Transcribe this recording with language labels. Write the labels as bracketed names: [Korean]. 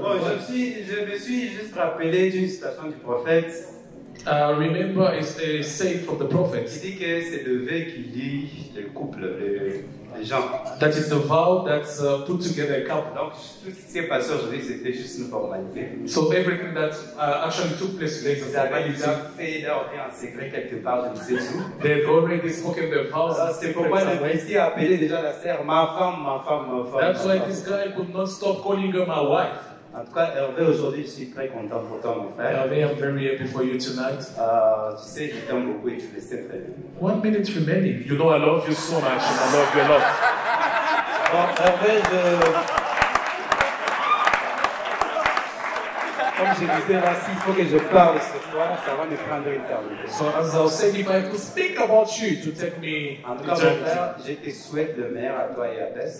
[French] Oh, je me suis juste rappelé d'une citation du prophète. [English] Remember, it's a saying from the prophet. [French] Il dit que c'est le vœu qui lie le couple, les gens. [English] That is the vow that put together a couple. [French] Donc, tout ce qui s'est passé aujourd'hui, c'était juste une formalité. [English] So everything that actually took place today, [French] ils avaient déjà fait leur vie en secret quelque part, je ne sais où. [English] They've already spoken their vows. [French] C'est pourquoi le Messie a appelé déjà la sœur, ma femme. [English] That's why this guy could not stop calling her my wife. [French] En tout cas, Hervé, aujourd'hui, je suis très content pour toi, mon frère. [English] Hervé, I'm very happy for you tonight. [French] Tu sais, je t'aime beaucoup et tu le sais très bien. [English] 1 minute remaining. You know, I love you so much. I love you a lot. [French] Bon, Hervé, comme je disais là, s'il faut que je parle ce soir, ça va me prendre une table. [English] So, as I'll say, if I could speak about you to take me... [French] En tout cas, mon frère, je te souhaite le meilleur à toi et à Bess.